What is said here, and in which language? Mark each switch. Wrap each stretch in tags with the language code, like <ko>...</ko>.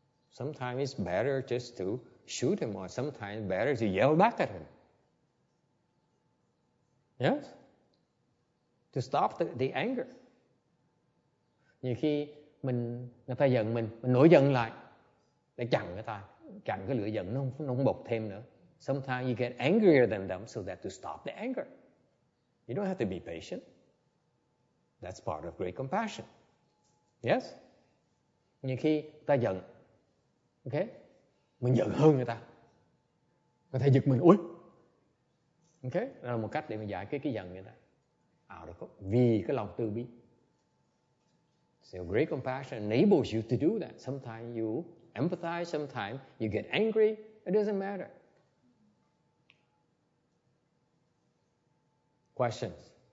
<en>Sometimes it's better just to shoot him, or sometimes better to yell back at him. Yes? To stop the anger.</en> <vi>Nhiều khi mình người ta giận mình nổi giận lại để chặn người ta, chặn cái lửa giận nó không bộc thêm nữa.</vi> <en>Sometimes you get angrier than them so that to stop the anger. You don't have to be patient. That's part of great compassion. Yes?</en> <vi>Nhiều khi người ta giận, okay? Mình giận hơn người ta. Người ta giật mình, ui! Okay? Đó là một cách để mình giải cái giận người ta. À, được không? Vì cái lòng từ bi.</vi> <en>So great compassion enables you to do that. Sometimes you empathize, sometimes you get angry. It doesn't matter. Questions?</en>